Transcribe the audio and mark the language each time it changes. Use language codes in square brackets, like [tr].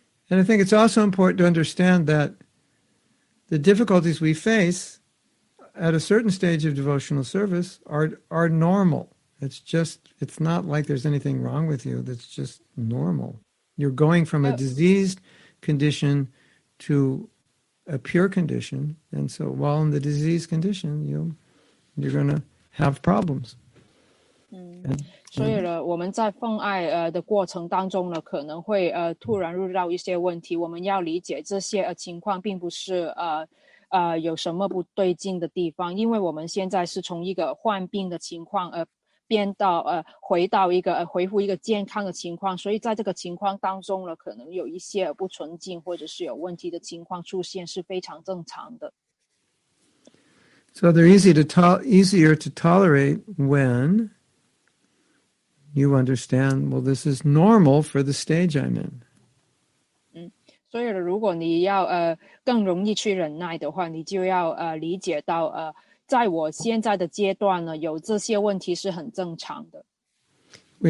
[en] And I think it's also important to understand that the difficulties we face at a certain stage of devotional service are normal. It's not like there's anything wrong with you. That's just normal. You're going from a diseased condition to a pure condition. And so while in the diseased condition, you're going to have problems. [zh] 所以呢，我们在奉爱的过程当中呢，可能会突然遇到一些问题。我们要理解这些情况并不是有什么不对劲的地方，因为我们现在是从一个患病的情况变到回复一个健康的情况。所以在这个情况当中呢，可能有一些不纯净或者是有问题的情况出现是非常正常的。 [en] So they're easier to tolerate when you understand, well, this is normal for the stage I'm in. [zh] 所以如果你要更容易去忍耐的话，你就要理解到，在我现在的阶段呢，有这些问题是很正常的。 [en] We